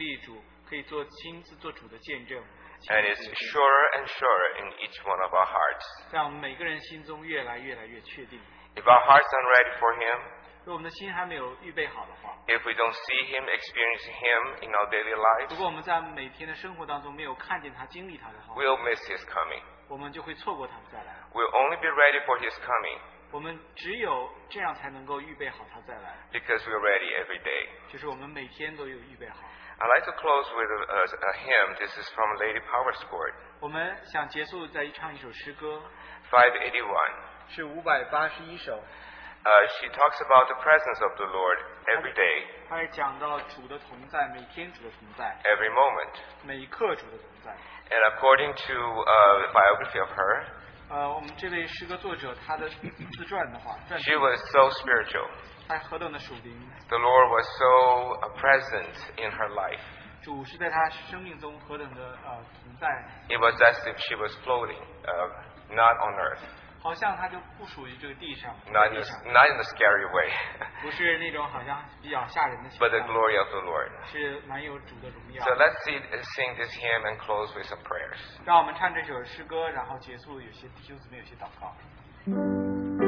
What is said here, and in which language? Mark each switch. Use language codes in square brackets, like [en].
[zh] 就是每一天认识主、经历主，可以做亲自做主的见证。 [en] And it's surer and surer in each one of our hearts. [zh] 让每个人心中越来越确定。 [en] If our hearts aren't ready for Him, [zh] 如果我们的心还没有预备好的话, [en] if we don't see Him, experience Him in our daily life, [zh] 如果我们在每天的生活当中没有看见他、经历他的话, [en] we'll miss His coming. [zh] 我们就会错过他再来。 [en] We'll only be ready for His coming. [zh] 我们只有这样才能够预备好他再来, [en] because we're ready every day. [zh] 就是我们每天都有预备好。 [en] I'd like to close with a hymn. This is from Lady Power's Court. [zh] 我们想结束再唱一首诗歌。 [en] 581. [zh] 是581首。 [en] She talks about the presence of the Lord every day. [zh] 她也讲到主的同在, 每天主的同在, [en] every moment. [zh] 每一刻主的同在。 [en] And according to the biography of her, [zh] 我们这位诗歌作者他的自传的话, [en] she was so spiritual. [zh] 她何等的属灵。 [en] The Lord was so present in her life. [zh] 主是在她生命中何等的, 同在。 [en] It was as if she was floating, not on earth. [zh] 好像他就不属于这个地上, [en] not in a scary way. [zh] 不是那种好像比较吓人的情况, [en] but the glory of the Lord. [zh] 是蛮有主的荣耀。 [en] So let's sing this hymn and close with some prayers. [zh] 让我们唱这首诗歌, 然后结束有些弟兄姊妹有些祷告。